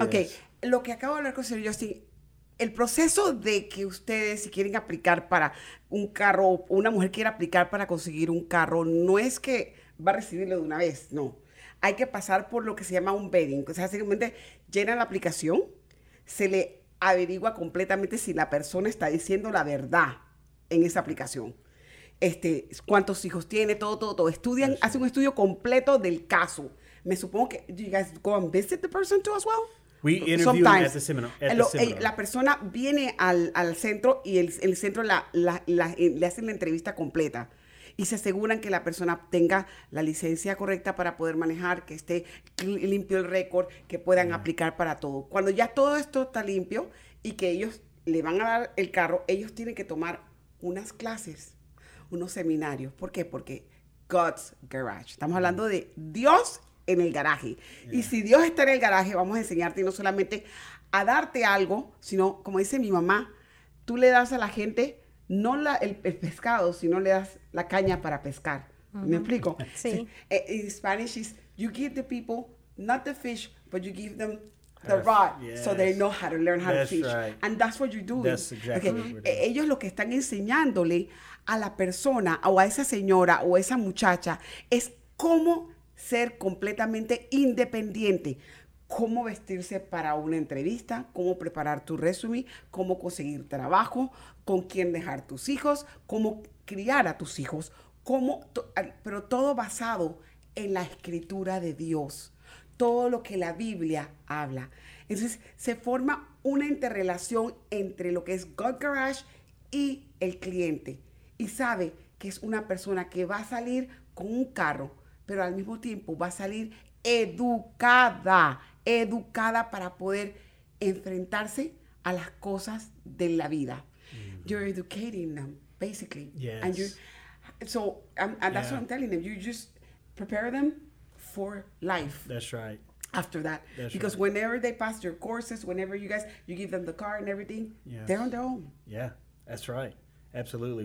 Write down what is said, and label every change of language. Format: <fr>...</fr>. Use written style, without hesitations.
<es>Okay, lo que acabo de hablar con señor Justin, el proceso de que ustedes quieren aplicar para un carro, una mujer quiere aplicar para conseguir un carro, no es que va a recibirlo de una vez, no. Hay que pasar por lo que se llama un vetting. O sea, simplemente llenan la aplicación, se le averigua completamente si la persona está diciendo la verdad en esa aplicación. ¿Cuántos hijos tiene? Todo. Estudian, hacen un estudio completo del caso. Me supongo que,</es> <en>do you guys go and visit the person too as well? We interview sometimes. Them at the seminar.</en> <es>La persona viene al centro y el centro le hacen la entrevista completa. Y se aseguran que la persona tenga la licencia correcta para poder manejar, que esté limpio el récord, que puedan aplicar para todo. Cuando ya todo esto está limpio y que ellos le van a dar el carro, ellos tienen que tomar unas clases, unos seminarios. ¿Por qué? Porque God's garage. Estamos hablando de Dios en el garaje. Y si Dios está en el garaje, vamos a enseñarte no solamente a darte algo, sino, como dice mi mamá, tú le das a la gente no el pescado, sino le das la caña para pescar. Uh-huh. ¿Me explico? Sí.</es> <en>In Spanish is, you give the people, not the fish, but you give them the rod, yes, so they know how to learn how that's to fish. Right. And that's what you're doing. That's exactly okay. What we're doing.</en> <es>Ellos lo que están enseñándole a la persona, o a esa señora, o a esa muchacha, es cómo ser completamente independiente. Cómo vestirse para una entrevista, cómo preparar tu resume, cómo conseguir trabajo, con quién dejar tus hijos, cómo criar a tus hijos, pero todo basado en la escritura de Dios, todo lo que la Biblia habla. Entonces, se forma una interrelación entre lo que es God Garage y el cliente. Y sabe que es una persona que va a salir con un carro, pero al mismo tiempo va a salir educada para poder enfrentarse a las cosas de la vida.</es> <en>Mm-hmm. You're educating them, basically. Yes. And that's what I'm telling them. You just prepare them for life. That's right. After that. That's because right. Whenever they pass your courses, whenever you give them the car and everything, they're on their own. Yeah, that's right. Absolutely.</en>